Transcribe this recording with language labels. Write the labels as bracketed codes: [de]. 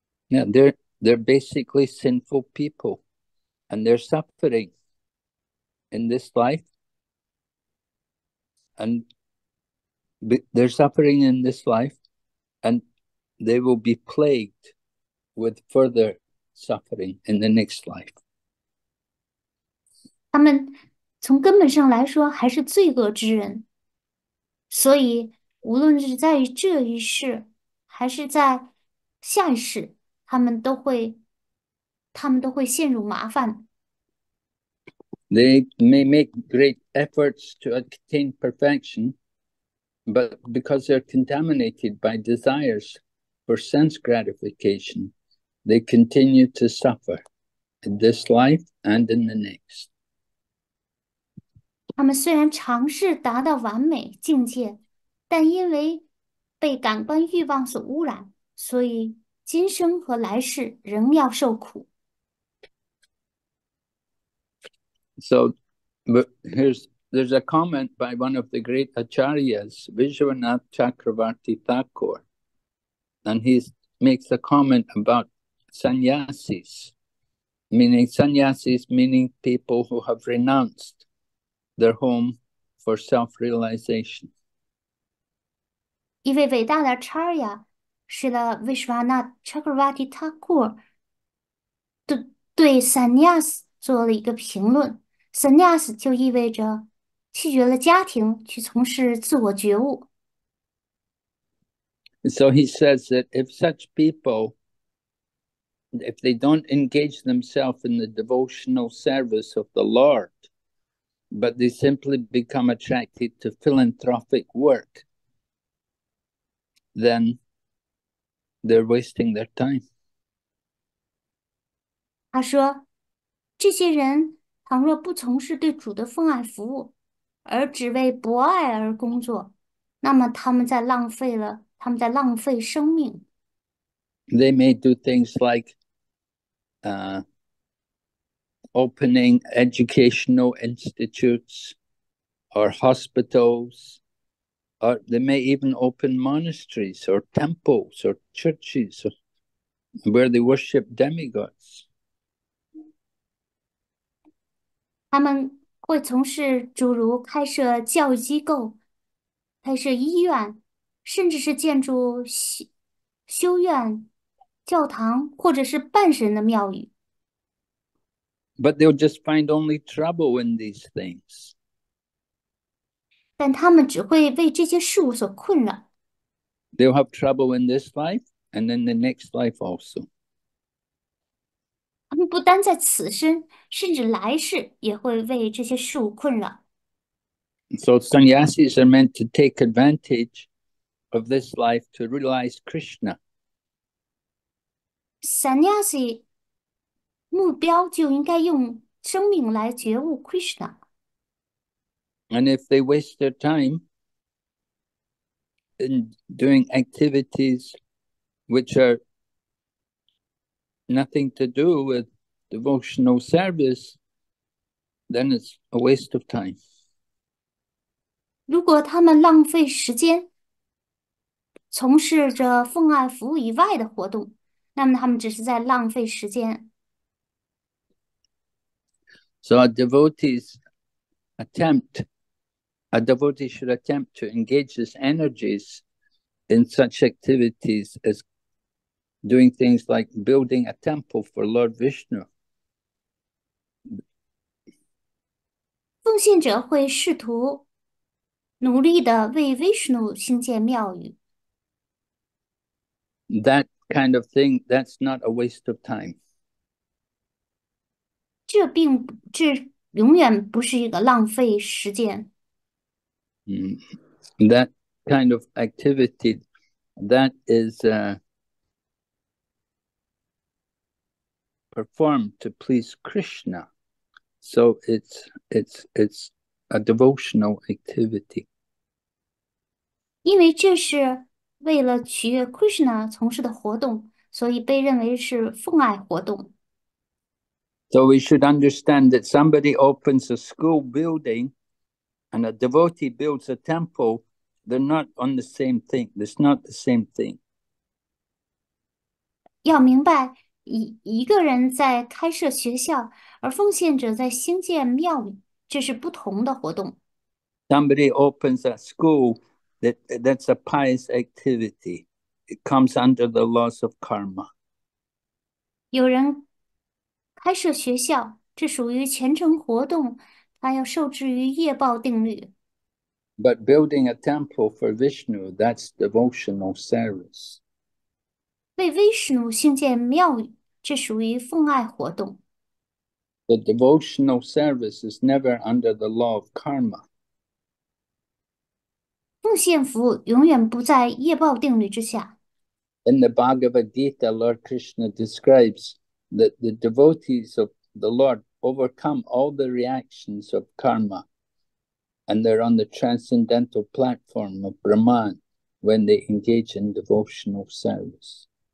[en] Yeah, they're basically sinful people, and they're suffering in this life. And they're suffering in this life, and they will be plagued with further suffering in the next life. [zh] 他们从根本上来说还是罪恶之人，所以无论是在这一世还是在下一世，他们都会陷入麻烦。 [en] They may make great efforts to attain perfection, but because they're contaminated by desires for sense gratification, they continue to suffer in this life and in the next. [zh] 他们虽然尝试达到完美境界，但因为被感官欲望所污染，所以今生和来世仍要受苦。 [en] So, there's a comment by one of the great Acharyas, Vishwanath Chakravarti Thakur, and he makes a comment about sannyasis meaning people who have renounced their home for self-realization. [zh] 一位伟大的 Acharya, 是的 Vishwanath Chakravarti Thakur, 对 sannyas 做了一个评论。 Sannyas 就意味着弃绝了家庭，去从事自我觉悟。 [en] So he says that if such people, if they don't engage themselves in the devotional service of the Lord, but they simply become attracted to philanthropic work, then they're wasting their time. [zh] 他说：“这些人倘若不从事对主的奉爱服务，而只为博爱而工作，那么他们在浪费生命。 [en] They may do things like opening educational institutes or hospitals, or they may even open monasteries or temples or churches where they worship demigods. [zh] 他们会从事诸如开设教育机构、开设医院，甚至是建筑修院、教堂，或者是半神的庙宇。 [en] But they'll just find only trouble in these things. [zh] 但他们只会为这些事物所困扰。 [en] They'll have trouble in this life and in the next life also. [zh] 不单在此生，甚至来世也会为这些事物困扰。 [en] So sannyasis are meant to take advantage of this life to realize Krishna. [zh] Sannyasi 目标就应该用生命来觉悟 Krishna。 [en] And if they waste their time in doing activities which are nothing to do with devotional service, then it's a waste of time. [zh] 如果他们浪费时间从事着奉爱服务以外的活动，那么他们只是在浪费时间。 [en] So a devotee's attempt. A devotee should attempt to engage his energies in such activities as doing things like building a temple for Lord Vishnu. [zh] 奉献者会试图努力的为 Vishnu 兴建庙宇， [en] That kind of thing, that's not a waste of time. [zh] 这永远不是一个浪费时间。 [en] That kind of activity, that is performed to please Krishna. So it's a devotional activity. [zh] 因为这是为了取悦 Krishna 从事的活动，所以被认为是奉爱活动。 [en] So we should understand that somebody opens a school building. And a devotee builds a temple, they're not on the same thing. It's not the same thing. [zh] 要明白，一个人在开设学校，而奉献者在兴建庙宇，这是不同的活动。 [en] Somebody opens a school that's a pious activity. It comes under the laws of karma. [zh] 有人开设学校，这属于虔诚活动，它要受制于业报定律。 [en] But building a temple for Vishnu, that's devotional service. [zh] 为 Vishnu 兴建庙宇，这属于奉爱活动。 [en] The devotional service is never under the law of karma. [zh] 奉献服务永远不在业报定律之下。 [en] In the Bhagavad Gita, Lord Krishna describes that the devotees of the Lord overcome all the reactions of karma. And they're on the transcendental platform of Brahman when they engage in devotional service.